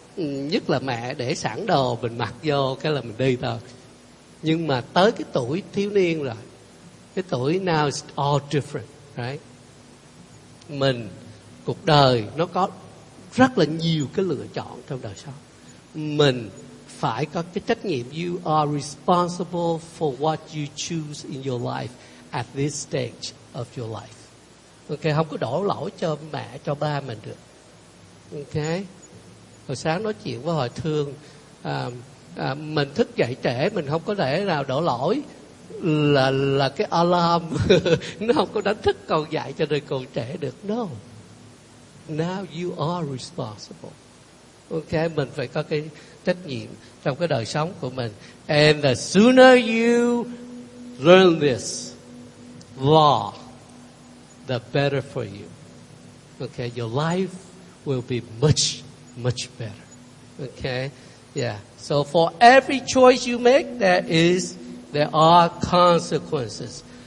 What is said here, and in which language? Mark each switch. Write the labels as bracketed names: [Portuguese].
[Vietnamese] nhất là mẹ để sẵn đồ mình mặc vô cái là mình đi thôi. Nhưng mà tới cái tuổi thiếu niên rồi, cái tuổi [English] now is all different, right? [Vietnamese] Mình, cuộc đời nó có rất là nhiều cái lựa chọn trong đời sau. Mình phải có cái trách nhiệm, [English] you are responsible for what you choose in your life at this stage of your life. [Vietnamese] Ok, không có đổ lỗi cho mẹ, cho ba mình được. Ok, hồi sáng nói chuyện với Hội Thương, mình thức dậy trễ, mình không có thể nào đổ lỗi là cái alarm nó không có đánh thức con dậy cho nên con trễ được. [English] No, now you are responsible. [Vietnamese] Ok, mình phải có cái trách nhiệm trong cái đời sống của mình. [English] And the sooner you learn this law, the better for you. Okay, your life will be much, much better. Okay, yeah. So for every choice you make, there are consequences.